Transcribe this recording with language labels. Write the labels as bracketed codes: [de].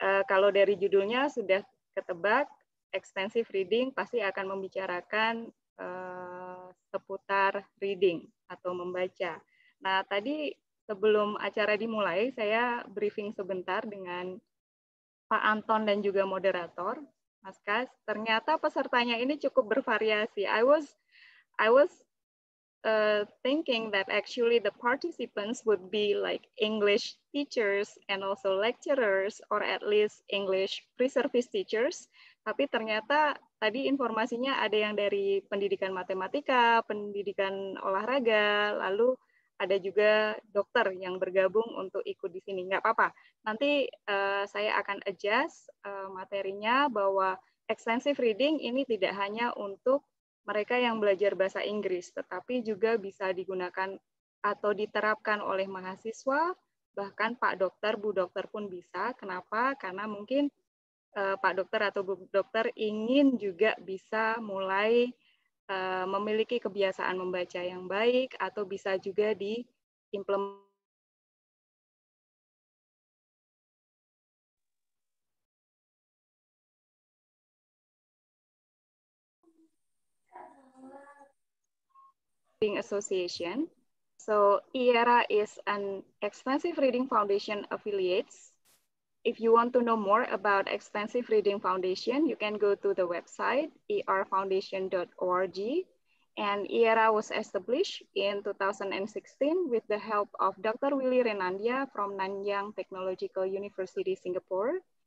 [id] Kalau dari judulnya sudah ketebak, expensive reading pasti akan membicarakan seputar reading atau membaca. Nah, tadi sebelum acara dimulai, saya briefing sebentar dengan Pak Anton dan juga moderator, Mas Kas. Ternyata pesertanya ini cukup bervariasi. [en] I was thinking that actually the participants would be like English teachers and also lecturers or at least English pre-service teachers. [id] Tapi ternyata tadi informasinya ada yang dari pendidikan matematika, pendidikan olahraga, lalu ada juga dokter yang bergabung untuk ikut di sini. Nggak apa-apa, nanti saya akan adjust materinya bahwa extensive reading ini tidak hanya untuk mereka yang belajar bahasa Inggris, tetapi juga bisa digunakan atau diterapkan oleh mahasiswa, bahkan Pak Dokter, Bu Dokter pun bisa. Kenapa? Karena mungkin Pak Dokter atau Bu Dokter ingin juga bisa mulai memiliki kebiasaan membaca yang baik atau bisa juga Reading Association. [en] So IERA is an Extensive Reading Foundation affiliates. If you want to know more about Extensive Reading Foundation, you can go to the website erfoundation.org. And IERA was established in 2016 with the help of Dr. Willy Renandia from Nanyang Technological University, Singapore.